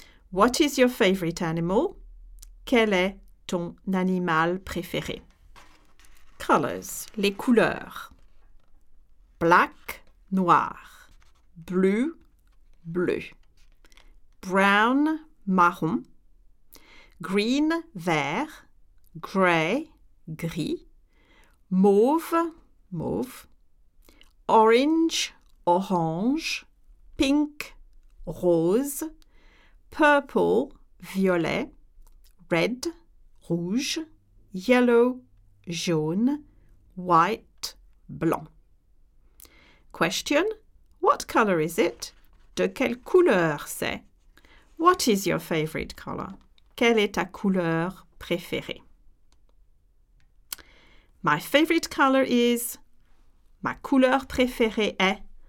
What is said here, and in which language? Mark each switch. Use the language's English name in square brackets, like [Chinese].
[English] What is your favorite animal? [French] Quel est ton animal préféré? [English] Colors, les couleurs. Black, noir. Blue, bleu. Brown, marron. Green, vert. Gray, gris. Mauve, mauve. Orange, orange. Pink, rose. Purple, violet. Red, rouge. Yellow, jaune. White, blanc. Question: what color is it? [French] De quelle couleur c'est? [English] What is your favorite color? [French] Quelle est ta couleur préférée? [English] My favorite color is. [French] Ma couleur préférée est.